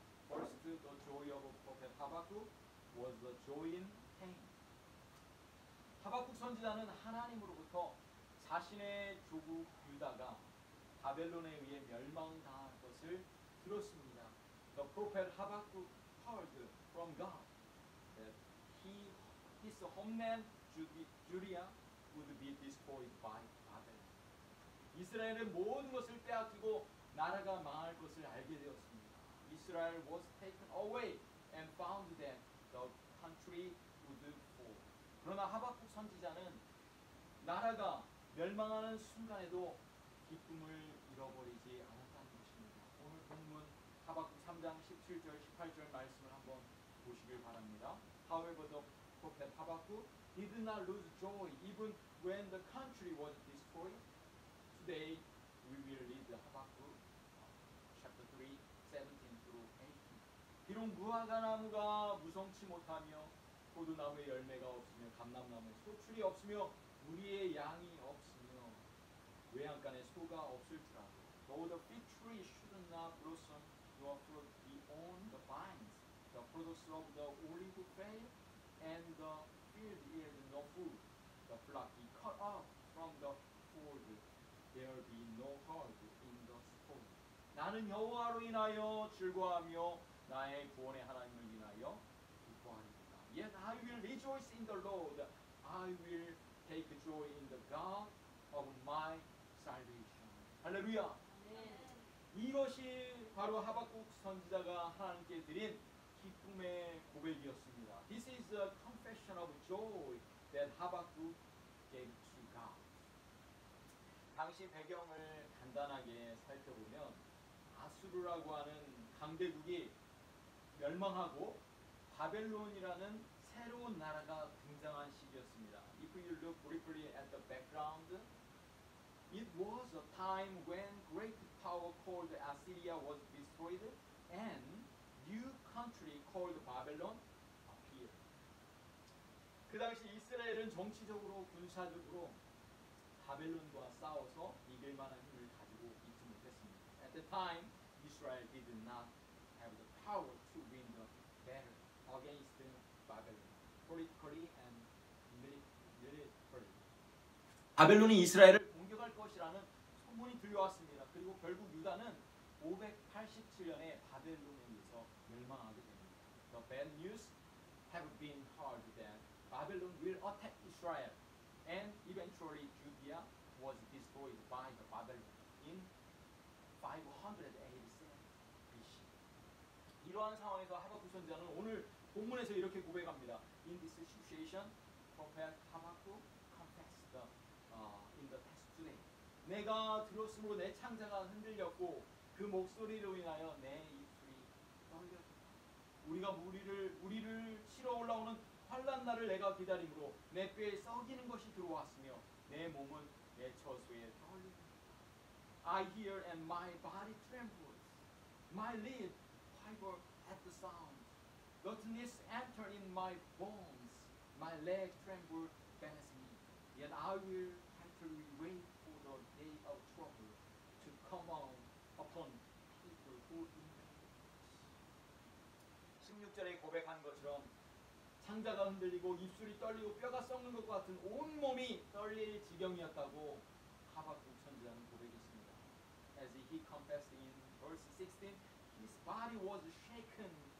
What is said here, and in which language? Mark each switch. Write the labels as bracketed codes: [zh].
[en] First, the joy of prophet Habakkuk was the joy in pain. [ko] 하박국 선지자는 하나님으로부터 자신의 조국 유다가 바벨론에 의해 멸망당할 것을 들었습니다. [en] The prophet Habakkuk heard from God that his homeland Judea would be destroyed by Babylon. [ko] 이스라엘의 모든 것을 빼앗기고 나라가 망할 것을 알게 되었습니다. [en] Israel was taken away and found that the country would fall. [ko] 그러나 하박국 선지자는 나라가 멸망하는 순간에도 기쁨을 잃어버리지 않았다는 것입니다. 오늘 본문 하박국 3장 17절 18절 말씀을 한번 보시길 바랍니다. [en] However, the prophet Habakkuk did not lose joy even when the country was destroyed. Today, we will read Habakkuk chapter 3, 17 through 18. [ko] 비록 무화과나무가 무성치 못하며 포도나무에 열매가 없으며 감람나무에 소출이 없으며 우리의 양이 없으며 외양간에 소가 없을지라도 [en] Though the fig tree should not blossom nor fruit be on the vines the produce of the olive fail and the field yield no food the flock be cut off from the fold there be no herd in the stone [ko] 나는 여호와로 인하여 즐거워하며 나의 구원의 하나님을 인하여 기뻐하리라 [en] Yet I will rejoice in the Lord I will Take joy in the God of my salvation. 할렐루야! [ko] 이것이 바로 하박국 선지자가 하나님께 드린 기쁨의 고백이었습니다. [en] This is a confession of joy that Habakkuk gave to God. [ko] 당시 배경을 간단하게 살펴보면 아수르라고 하는 강대국이 멸망하고 바벨론이라는 새로운 나라가 등장한 시기였습니다. [en] If you look briefly at the background, it was a time when great power called Assyria was destroyed and new country called Babylon appeared. [ko] 그 당시 이스라엘은 정치적으로 군사적으로 바벨론과 싸워서 이길 만한 힘을 가지고 있지 못했습니다. [en] At the time, Israel did not have the power to win the battle against Babylon. Politically and militarily. [ko] 바벨론이 이스라엘을 공격할 것이라는 소문이 들려왔습니다. 그리고 결국 유다는 587년에 바벨론에 의해서 멸망하게 됩니다. [en] The bad news have been heard that Babylon will attack Israel and eventually Judea was destroyed by the Babylon in 587 BC. [ko] 이러한 상황에서 하박국 선지자는 오늘 본문에서 이렇게 고백합니다. [en] In this situation, prophet Habakkuk confessed in the text today. [ko] 내가 들었으므로 내 창자가 흔들렸고 그 목소리로 인하여 내 입술이 떨렸다. 우리가 우리를 치러 올라오는 환난 날을 내가 기다림으로 내 뼈에 썩이는 것이 들어왔으며 내 몸은 내 처소에 떨린다. [en] I hear and my body trembles. My lip quiver at the sound. Rottenness entered in my bones. My leg trembled beneath me. Yet I will patiently wait for the day of trouble to come on upon people who inhale. [ko] 16절에 고백한 것처럼 창자가 흔들리고 입술이 떨리고 뼈가 썩는 것 같은 온 몸이 떨릴 지경이었다고 하박국 선지자는 고백했습니다. [en] As he confessed in verse 16, his body was shaken.